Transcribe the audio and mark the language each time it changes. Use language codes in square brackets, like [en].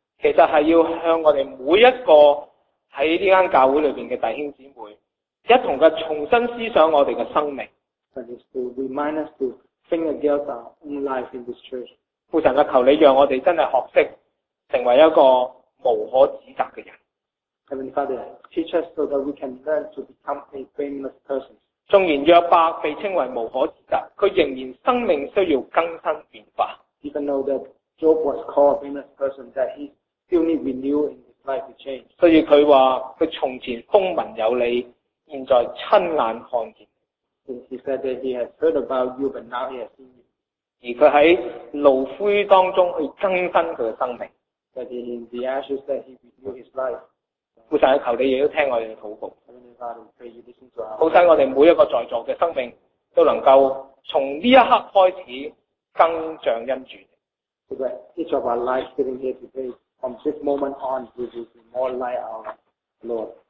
[zh] 其实是要向我们每一个在这间教会里面的弟兄姊妹一同的重新思想我们的生命。 [en] That is to remind us to think about our own life in this church. [zh] 父神啊，求你让我们真的学会成为一个无可指责的人。 [en] Heavenly Father, teach us so that we can learn to become a blameless person. [zh] 纵然约伯被称为无可指责，他仍然生命需要更新变化。 [en] Even though that Job was called a blameless person, that he still need renew in his life to change. [zh] 所以他说他从前风闻有你，现在亲眼看见。 [en] He said that he has heard about you, but now he has seen you. [zh] 而他在炉灰当中去更新他的生命。 [en] That he, in the ashes that he renew his life. [zh] 父神，求你也要听我们的祷告。好使我们每一个在座的生命都能够从这一刻开始更像恩主。 [en] Each of our lives sitting here today, from this moment on, we will be more like our Lord.